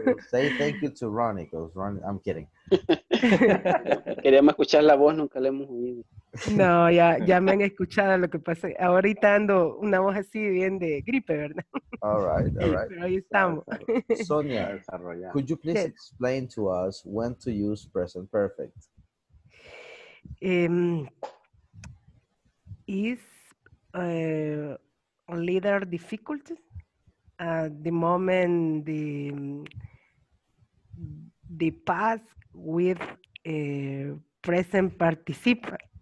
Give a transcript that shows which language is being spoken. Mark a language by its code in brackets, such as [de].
[en] Say thank you to Ronnie, because Ronnie, I'm kidding. [es] Queríamos escuchar la voz, nunca la hemos oído. No, ya, ya me han escuchado, lo que pasa, ahorita ando una voz así bien de gripe, ¿verdad? [en] All right. [es] Pero ahí estamos. [en] Sonia, could you please explain to us when to use present perfect? Is a little difficult at the moment the past with present participle.